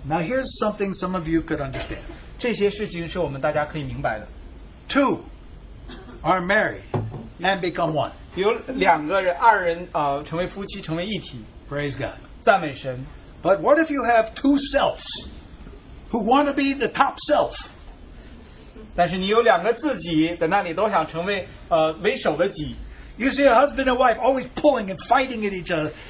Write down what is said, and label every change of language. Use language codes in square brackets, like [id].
[en] Now here's something some of you could understand. [zh] 这些事情是我们大家可以明白的。 [en] Two are married and become one. [zh] 有两个人,二人,成为夫妻,成为一体。 [en] Praise God. [zh] 赞美神。 [en] But what if you have two selves who want to be the top self? [zh] 但是你有两个自己在那里都想成为为首的己。 [en] You see a husband and wife always pulling and fighting at each other.